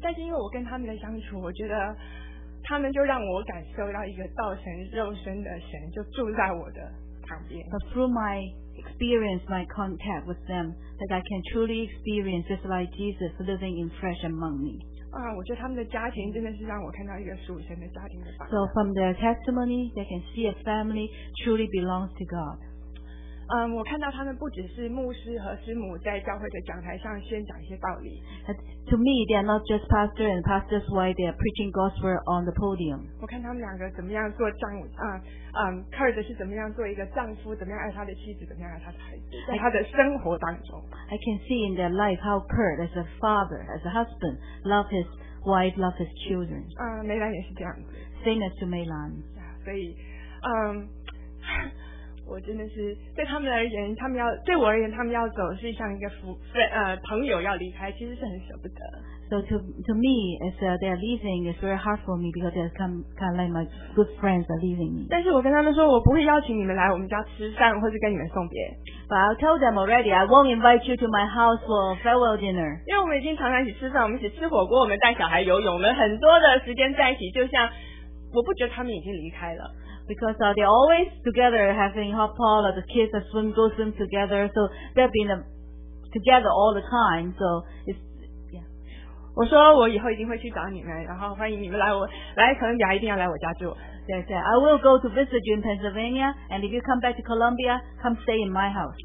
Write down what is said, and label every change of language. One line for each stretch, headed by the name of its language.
Chinese: 但是因为我跟他们的相处，我觉得他们就让我感受到一个道成肉身的神就住在我的旁边。
English: But through my experience, my contact with them, that I can truly experience just like Jesus living in flesh among me.
Chinese: 我觉得他们的家庭真的是让我看到一个属神的家庭的榜样。
English: So from their testimony, they can see a family truly belongs to God.
Chinese: 我看到他们不只是牧师和师母在教会的讲台上宣讲一些道理。
English: To me, they are not just pastor and pastor's wife. They are preaching gospel on the podium.
Chinese: 我看他们两个怎么样做丈夫Kurt 是怎么样做一个丈夫，怎么样爱他的妻子，怎么样爱他的孩子，在他的生活当中。
English: I can see in their life how Kurt, as a father, as a husband, love his wife, love his children.
Chinese: 梅兰也是这样子。
English: Same as to Meilan.
Chinese: 所以。我真的是对他们而言，他们要对我而言，他们要走是像一个朋友要离开，其实是很舍不得。
English: So to me, it's they are leaving. It's very hard for me because they're kind of like my good friends are leaving me.
Chinese: 但是我跟他们说，我不会邀请你们来我们家吃饭，或是跟你们送别。
English: But I told them already, I won't invite you to my house for farewell dinner.
Chinese: 因为我们已经常常一起吃饭，我们一起吃火锅，我们带小孩游泳，我们很多的时间在一起，就像我不觉得他们已经离开了。
English: Because they're always together having hot pot or the kids that go swim together, so they've been together all the time. So it's yeah.
Chinese: 我说我以后一定会去找你们，然后欢迎你们来我来哥伦比亚一定要来我家住。
English: Yes, yeah. I will go to visit you in Pennsylvania, and if you come back to Columbia, come stay in my house.